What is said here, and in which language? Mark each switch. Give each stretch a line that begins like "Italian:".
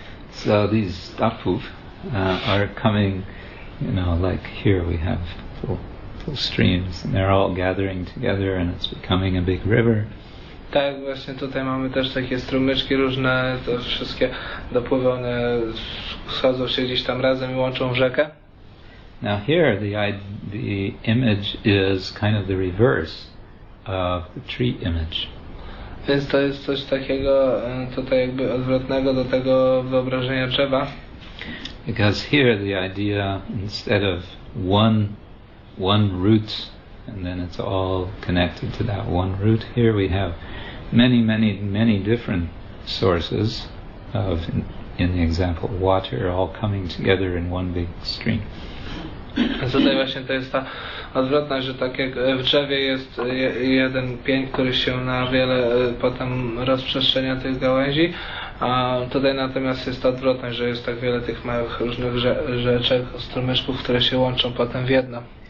English: So these dapuv are coming, you know, like here we have full streams, and they're all gathering together, and it's becoming a big river.
Polish: Tak, właśnie tutaj mamy też takie strumyczki różne, to wszystkie dopływy, one schodzą się gdzieś tam razem i łączą w rzekę.
English: Now here the image is kind of the reverse of the tree image.
Polish: Więc to jest coś takiego tutaj jakby odwrotnego do tego wyobrażenia drzewa.
English: Because here the idea, instead of one root, and then it's all connected to that one root, here we have many, many, many different sources of in the example, water all coming together in one big stream.
Polish: Tutaj właśnie to jest ta odwrotna, że tak jak w drzewie jest jeden pień, który się na wiele potem rozprzestrzenia tych gałęzi, a tutaj natomiast jest ta odwrotna, że jest tak wiele tych małych różnych rzeczek, strumyczków, które się łączą potem w jedno.